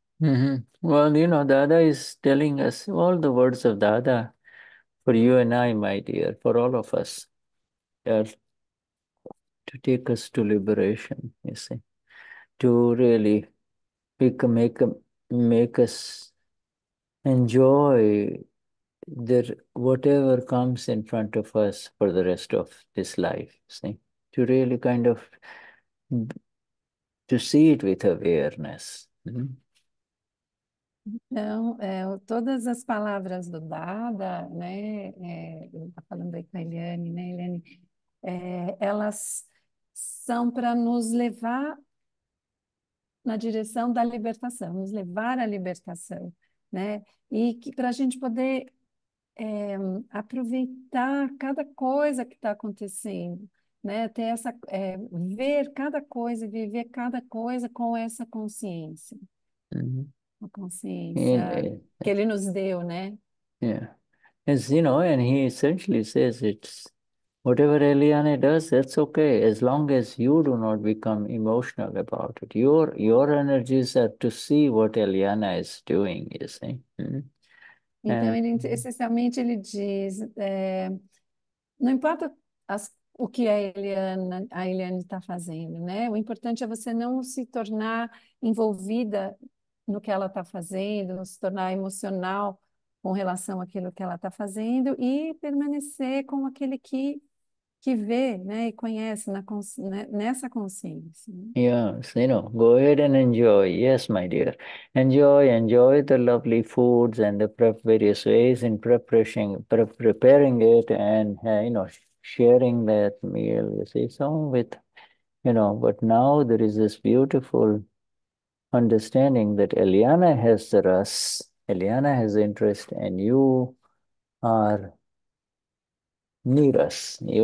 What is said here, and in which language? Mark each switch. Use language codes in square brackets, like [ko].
[en] Well, Dada is telling us all the words of Dada for you and I, my dear, for all of us, to take us to liberation, you see, to really make us enjoy the whatever comes in front of us for the rest of this life, see, to really kind of to see it with awareness. [pt] Então, todas as palavras do Dada, né, falando aí com a Eliane, né, Eliane, elas são para nos levar na direção da libertação, nos levar à libertação, né, e que para a gente poder aproveitar cada coisa que está acontecendo, né, ter essa ver cada coisa, viver cada coisa com essa consciência. A consciência que ele nos deu, né? [en] As and he essentially says it's whatever Eliane does, that's okay, as long as you do not become emotional about it. Your energies are to see what Eliana is doing, you see. [pt] Então, ele essencialmente ele diz, não importa o que a Eliane está fazendo, né? O importante é você não se tornar envolvida no que ela está fazendo, se tornar emocional com relação àquilo que ela está fazendo e permanecer como aquele que vê, né, e conhece nessa consciência. [en] Yes, go ahead and enjoy. Yes, my dear. Enjoy the lovely foods and the various ways in preparing it and sharing that meal, you see, so with but now there is this beautiful understanding that Eliana has the ras, Eliana has interest, and you are Niras.